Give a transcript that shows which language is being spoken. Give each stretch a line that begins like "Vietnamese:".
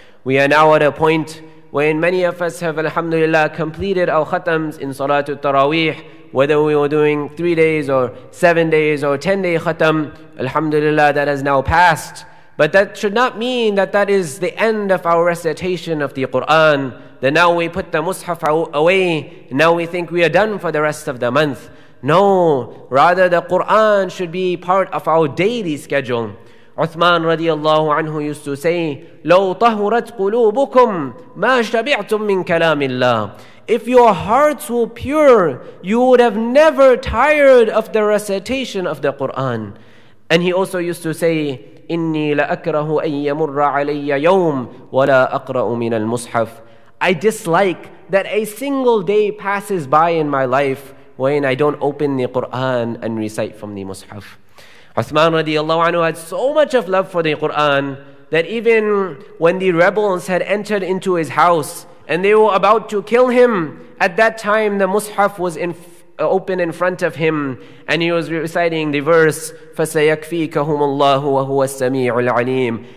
English: We are now at a point when many of us have, alhamdulillah, completed our khatams in Salatul Taraweeh, whether we were doing 3 days or 7 days or 10-day khatam, alhamdulillah, that has now passed. But that should not mean that that is the end of our recitation of the Qur'an, that now we put the mushaf away, now we think we are done for the rest of the month. No, rather the Qur'an should be part of our daily schedule. Uthman radiallahu anhu used to say,
Arabic: لَوْ طَهُرَتْ قُلُوبُكُمْ مَا شَبِعْتُمْ مِنْ كَلَامِ اللَّهِ.
English: If your hearts were pure, you would have never tired of the recitation of the Qur'an. And he also used to say,
Arabic: إِنِّي لَأَكْرَهُ أَن يَمُرَّ عَلَيَّ يَوْمٍ وَلَا أَقْرَأُ مِنَ الْمُصْحَفِ.
English: I dislike that a single day passes by in my life when I don't open the Qur'an and recite from the Mus'haf. Uthman radiallahu anhu had so much of love for the Qur'an that even when the rebels had entered into his house and they were about to kill him, at that time the Mus'haf was open in front of him and he was reciting the verse,
Arabic: فَسَيَكْفِيكَهُمُ اللَّهُ وَهُوَ السَّمِيعُ الْعَلِيمُ.